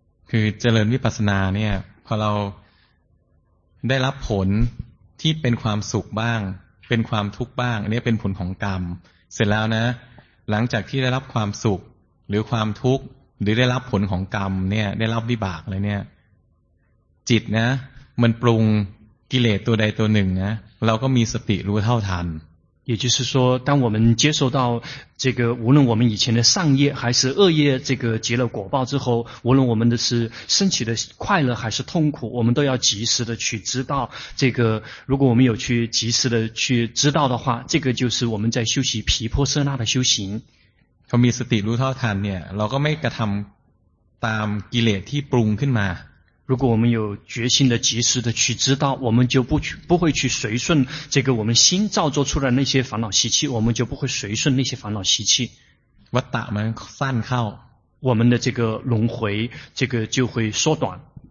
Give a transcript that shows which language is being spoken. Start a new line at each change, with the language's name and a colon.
Thai: คือเจริญวิปัสสนาเนี่ยพอเราได้รับผลที่เป็นความสุขบ้างเป็นความทุกข์บ้างอันนี้เป็นผลของกรรมเสร็จแล้วนะหลังจากที่ได้รับความสุขหรือความทุกข์หรือได้รับผลของกรรมเนี่ยได้รับวิบากอะไรเนี่ยจิตนะมันปรุงกิเลสตัวใดตัวหนึ่งนะเราก็มีสติรู้เท่าทัน
Chinese: 也就是说，当我们接受到这个，无论我们以前的善业还是恶业，这个结了果报之后，无论我们的是升起的快乐还是痛苦，我们都要及时的去知道。这个，如果我们有去及时的去知道的话，这个就是我们在修习毗婆舍那的修行。
Thai: 他มีสติรู้เท่าทันเนี่ยเราก็ไม่กระทำตามกิเลสที่ปรุงขึ้นมา
Chinese: 如果我们有决心的及时的去知道，我们就不会去随顺这个我们心造作出来那些烦恼习气，我们就不会随顺那些烦恼习气。
Thai: วัฏฏะมันสั้นเข้า
Chinese: 我们的这个轮回这个就会缩短。